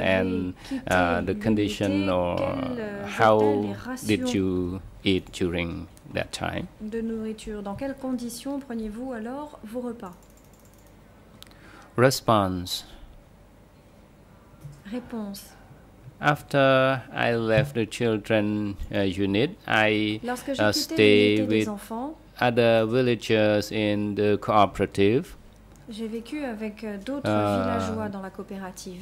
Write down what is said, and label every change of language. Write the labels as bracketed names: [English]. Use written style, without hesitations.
[English] and the condition, or how did you eat during that time? [French] De nourriture. Dans quelles conditions preniez-vous alors vos repas? [English] Response. After I left the children unit, I stayed with [French] enfants, [English] other villagers in the cooperative. [French] J'ai vécu avec d'autres villageois dans la coopérative.